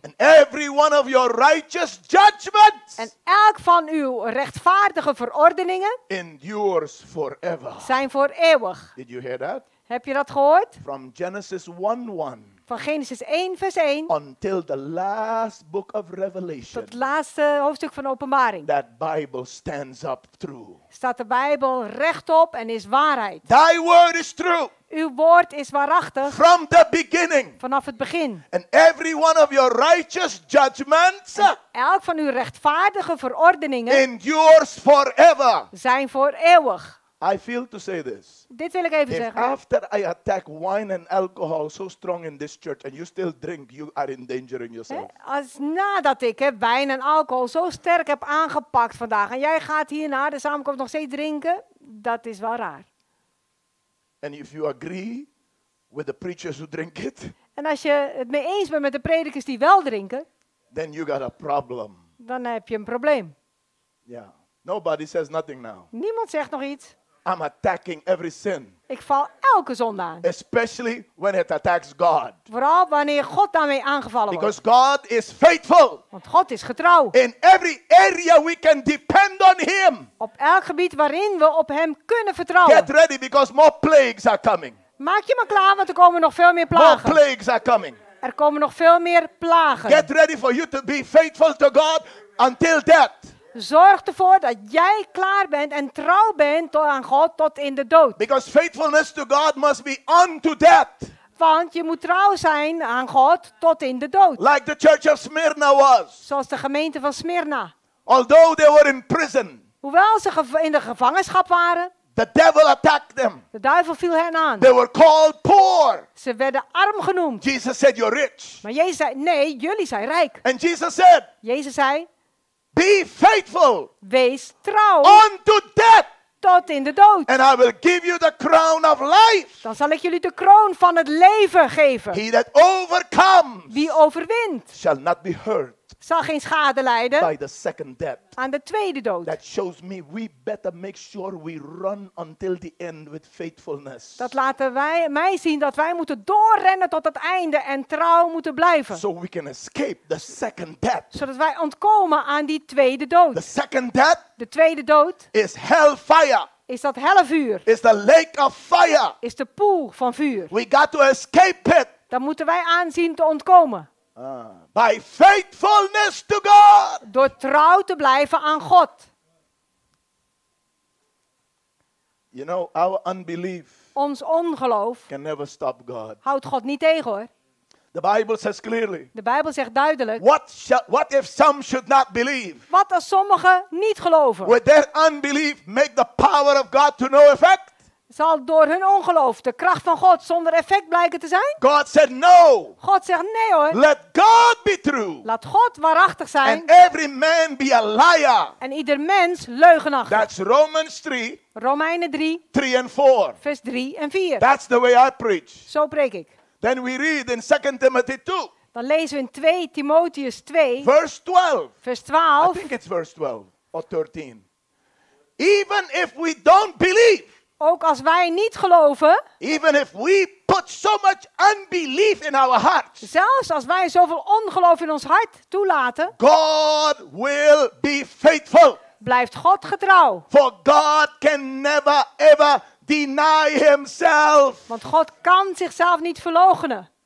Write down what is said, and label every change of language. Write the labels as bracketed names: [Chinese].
[English] And every one of your righteous judgments. [Dutch] En elk van uw rechtvaardige verordeningen. [English] Endures forever. [Dutch] Zijn voor eeuwig. [English] Did you hear that? [Dutch] Heb je dat gehoord? [English] From Genesis 1:1. [Dutch] Van Genesis 1 vers 1. [English] Until the last book of Revelation. [Dutch] Tot het laatste hoofdstuk van Openbaring. [English] That Bible stands up through. [Dutch] Staat de Bijbel rechtop en is waarheid. [English] Thy word is true. [Dutch] Uw woord is waarachtig. [English] From the beginning. [Dutch] Vanaf het begin. [English] And every one of your righteous judgments. [Dutch] En elk van uw rechtvaardige verordeningen. [English] Endures forever. [Dutch] Zijn voor eeuwig. [English] I feel to say this. [Dutch] Dit wil ik even zeggen. [English] After I attack wine and alcohol so strong in this church and you still drink, you are endangering yourself. [Dutch] Als nadat ik wijn en alcohol zo sterk heb aangepakt vandaag en jij gaat hierna de samenkomst nog steeds drinken, dat is wel raar. [English] And if you agree with the preachers who drink it? [Dutch] En als je het mee eens bent met de predikers die wel drinken? [English] Then you got a problem. [Dutch] Dan heb je een probleem. Yeah. [English] Nobody says nothing now. [Dutch] Niemand zegt nog iets. [English] I'm attacking every sin. [Dutch] Ik val elke zonde aan. [English] Especially when it attacks God. [Dutch] Vooral wanneer God daarmee aangevallen [English] Because [Dutch] wordt. [English] God is faithful. [Dutch] Want God is getrouw. [English] In every area we can depend on him. [Dutch] Op elk gebied waarin we op hem kunnen vertrouwen. [English] Get ready because more plagues are coming. [Dutch] Maak je maar klaar, want er komen nog veel meer plagen. [English] More plagues are coming. [Dutch] Er komen nog veel meer plagen. [English] Get ready for you to be faithful to God until death. [Dutch] Zorg ervoor dat jij klaar bent en trouw bent tot aan God tot in de dood. [English] Because faithfulness to God must be unto death. [Dutch] Want je moet trouw zijn aan God tot in de dood. [English] Like the church of Smyrna was. [Dutch] Zoals de gemeente van Smyrna. [English] Although they were in prison. [Dutch] Hoewel ze in de gevangenschap waren. [English] The devil attacked them. [Dutch] De duivel viel hen aan. [English] They were called poor. [Dutch] Ze werden arm genoemd. [English] Jesus said, "You're rich." [Dutch] Maar Jezus zei, nee, jullie zijn rijk. [English] And Jesus said. [Dutch] Jezus zei. [English] Be faithful. [Dutch] Wees trouw. [English] Unto death. [Dutch] Tot in de dood. [English] And I will give you the crown of life. [Dutch] Dan zal ik jullie de kroon van het leven geven. [English] He that overcomes. [Dutch] Wie overwint. [English] Shall not be hurt. [Dutch] Zal geen schade lijden. [English] By the second death. [Dutch] Aan de tweede dood. [English] That shows me we better make sure we run until the end with faithfulness. [Dutch] Dat laten wij mij zien dat wij moeten doorrennen tot het einde en trouw moeten blijven. [English] So we can escape the second death. [Dutch] Zodat wij ontkomen aan die tweede dood. [English] The second death. [Dutch] De tweede dood. [English] Is hellfire. [Dutch] Is dat hellevuur. [English] Is the lake of fire. [Dutch] Is de poel van vuur. [English] We got to escape it. [Dutch] Dan moeten wij aanzien te ontkomen. [English] By faithfulness to God. [Dutch] Door trouw te blijven aan God. [English] You know, our unbelief. [Dutch] Ons ongeloof. [English] Can never stop God. [Dutch] Houdt God niet tegen hoor. [English] The Bible says clearly. [Dutch] De Bijbel zegt duidelijk. [English] What if some should not believe? [Dutch] Wat als sommigen niet geloven? [English] Would their unbelief make the power of God to no effect? [Dutch] Zal door hun ongeloof de kracht van God zonder effect blijken te zijn? [English] God said no. [Dutch] God zegt nee hoor. [English] Let God be true. [Dutch] Laat God waarachtig zijn. [English] And every man be a liar. [Dutch] En ieder mens leugenachtig. [English] That's Romans 3. [Dutch] Romeinen 3. [English] 3 and 4. [Dutch] Vers 3 en 4. [English] That's the way I preach. [Dutch] Zo preek ik. [English] Then we read in 2 Timothy 2. [Dutch] Dan lezen we in 2 Timotheus 2. [English] Verse 12. [Dutch] Vers 12. [English] I think it's verse 12 or 13. Even if we don't believe. [Dutch] Ook als wij niet geloven. [English] Even if we put so much unbelief in our hearts. [Dutch] Zelfs als wij zoveel ongeloof in ons hart toelaten. [English] God will be faithful. [Dutch] Blijft God getrouw. [English] For God can never ever deny himself. [Dutch] Want God kan zichzelf niet verloochenen.